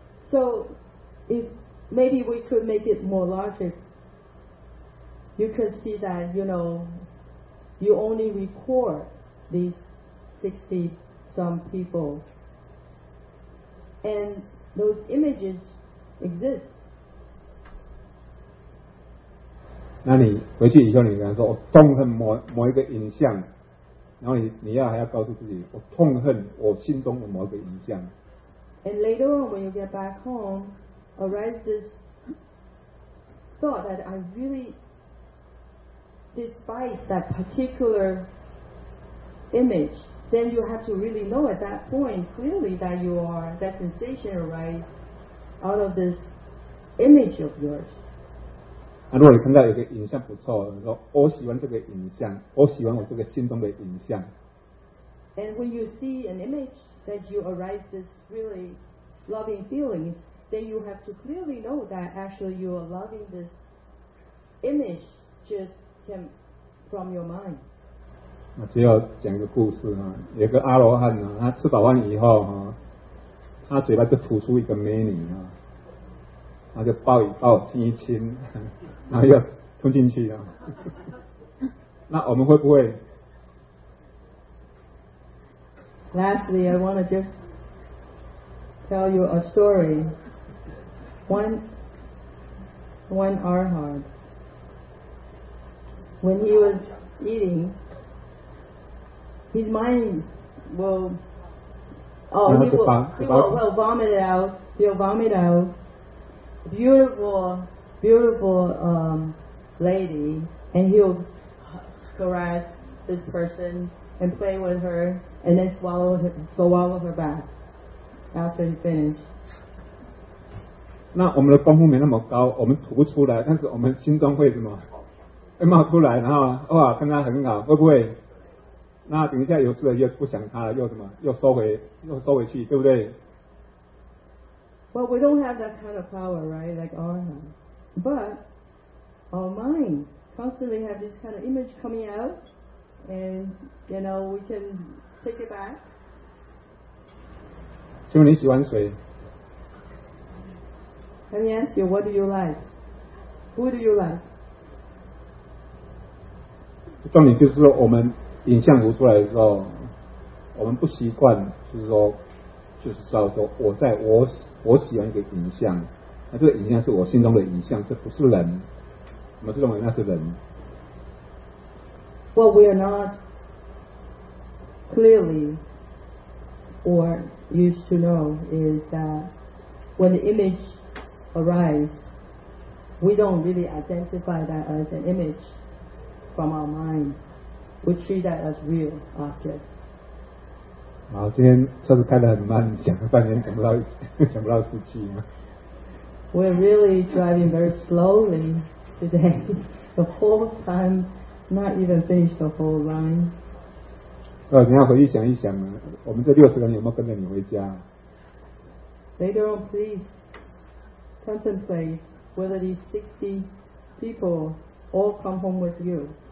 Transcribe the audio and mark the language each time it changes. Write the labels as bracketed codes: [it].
[en] So, if maybe we could make it more logic, you could see that, you know, you only record these 60 some people, and those images exist. [zh] 那你回去以后，你跟他说，我痛恨某一个影像，然后你要还要告诉自己，我痛恨我心中的某一个影像。 [en] And later on, when you get back home, arises this thought that I really despise that particular image. Then you have to really know at that point clearly that you are, that sensation arises out of this image of yours. [zh] 啊，如果你看到有个影像不错，你说我喜欢这个影像，我喜欢我这个心中的影像。 [en] And when you see an image that you arise this really loving feeling, then you have to clearly know that actually you are loving this image just came from your mind. [zh] 那只要讲一个故事哈，有个阿罗汉呢，他吃饱饭以后哈，他嘴巴就吐出一个美女啊，他就抱一抱，亲一亲，然后又吞进去了。那我们会不会？ [en] Lastly, I want to just tell you a story. One Arhat, when he was eating, his mind will, he will vomit out. He'll vomit out beautiful lady, and he'll caress this person and play with her and then swallow her back after he finished. [zh] 那我们的功夫没那么高，我们吐不出来，但是我们心中会什么？会冒出来，然后哇，跟他很好，会不会？那等一下有事了，又不想他了，又收回去，对不对？ [en] But we don't have that kind of power, right? Like Arha. But our mind constantly have this kind of image coming out, and you know we can take it back. [zh] 请问你喜欢谁？ [en] Let me ask you, what do you like? Who do you like? [zh] 重点就是说，我们影像图出来的时候，我们不习惯，就是知道说，我喜欢一个影像，那这个影像是我心中的影像，这不是人，我们是认为那是人。 [en] Well, we are not clearly or used to know is that when the image. Arise, we don't really identify that as an image from our mind. We treat that as real object. [zh] 好，今天车子开得很慢，讲了半天讲不到四句吗？ [en] We're really driving very slowly today. The whole time, not even finished the whole line. [zh] 你要回去想一想，我们这六十个人有没有跟着你回家？ [en] Later on, please. Contemplate whether these 60 people all come home with you.